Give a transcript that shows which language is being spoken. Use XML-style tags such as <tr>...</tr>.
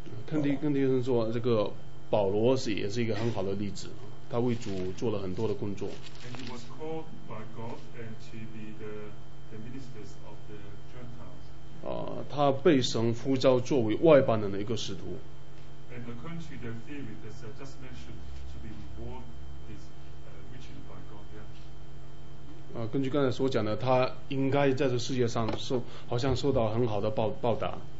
<zh>跟弟兄说，这个保罗也是一个很好的例子，他为主做了很多的工作。</zh> <en>And he was called by God and to be the ministers of the Gentiles.</en> <zh>他被神呼召作为外邦人的一个使徒。</zh> <en>And according to the theory that's just mentioned, to be born is reached by God. Yeah.</en> <zh>根据刚才所讲的，他应该在这世界上好像受到很好的报答。</zh>